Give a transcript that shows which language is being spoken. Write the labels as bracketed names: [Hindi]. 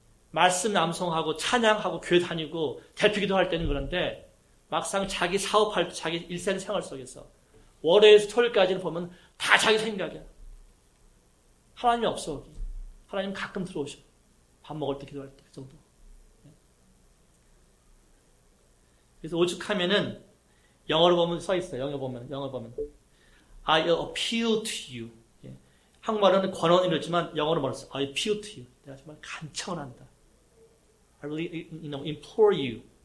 [Korean] 말씀 암송하고, 찬양하고, 교회 다니고, 대표 기도할 때는 그런데, 막상 자기 사업할 때, 자기 일생 생활 속에서 월요일에서 토요일까지는 보면 다 자기 생각이야. 하나님이 없어. 여기. 하나님 가끔 들어오셔. 밥 먹을 때 기도할 때 그 정도. 그래서 오죽하면은 영어로 보면 써 있어요. 영어 보면 [English] I appeal to you. [Korean] 예. 한국말로는 권언이랬지만 영어로 말했어. [English] I appeal to you. [Korean] 내가 정말 간청한다. [English] I really, you know, implore you.